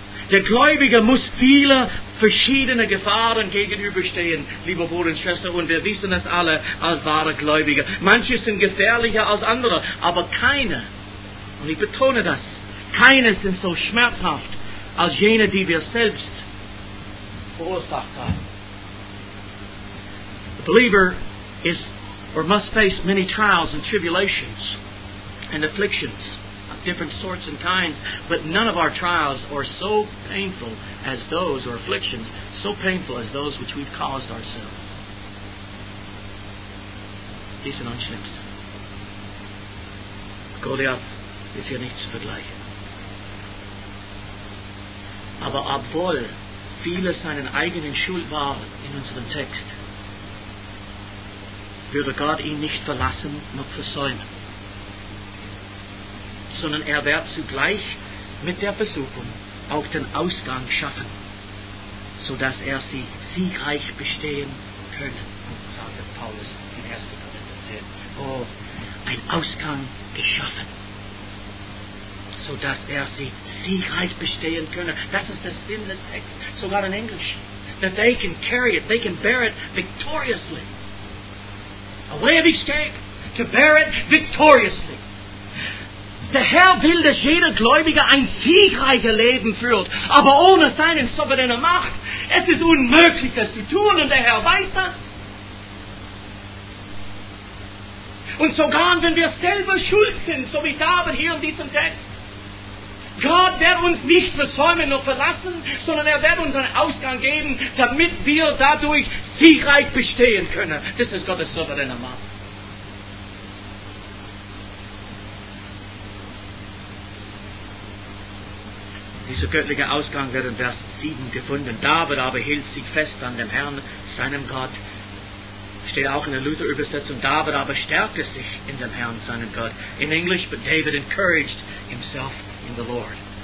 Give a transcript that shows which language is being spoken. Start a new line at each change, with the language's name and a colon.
German: Der Gläubige muss viele verschiedene Gefahren gegenüberstehen, liebe Bruder und Schwester, und wir wissen es alle als wahre Gläubige. Manche sind gefährlicher als andere, aber keine, und ich betone das, keine sind so schmerzhaft als jene, die wir selbst verursacht haben.
English: The believer is or must face many trials and tribulations and afflictions of different sorts and kinds, but none of our trials are so painful as those, or afflictions so painful as those which we've caused ourselves.
German: Dies sind unschlimmste. Goliath ist hier nicht zu vergleichen. Aber obwohl viele seinen eigenen Schuld waren in unserem Text, würde Gott ihn nicht verlassen noch versäumen, sondern er wird zugleich mit der Versuchung auch den Ausgang schaffen, sodass er sie siegreich bestehen könne, sagte Paulus in 1. Korinther 10. Oh, ein Ausgang geschaffen, sodass er sie siegreich bestehen könne. Das ist der Sinn des Textes, sogar in Englisch.
English: That they can carry it, they can bear it victoriously. A way of escape, to bear it victoriously.
German: Der Herr will, dass jeder Gläubige ein siegreicher Leben führt, aber ohne seine souveräne Macht. Es ist unmöglich, das zu tun, und der Herr weiß das. Und sogar wenn wir selber schuld sind, so wie David hier in diesem Text, Gott wird uns nicht versäumen und verlassen, sondern er wird uns einen Ausgang geben, damit wir dadurch siegreich bestehen können. Das ist Gottes souveräne Macht. Dieser göttliche Ausgang wird in Vers 7 gefunden. David aber hielt sich fest an dem Herrn, seinem Gott. Steht auch in der Luther-Übersetzung. David aber stärkte sich in dem Herrn, seinem Gott.
English: In English, but David encouraged himself in the Lord.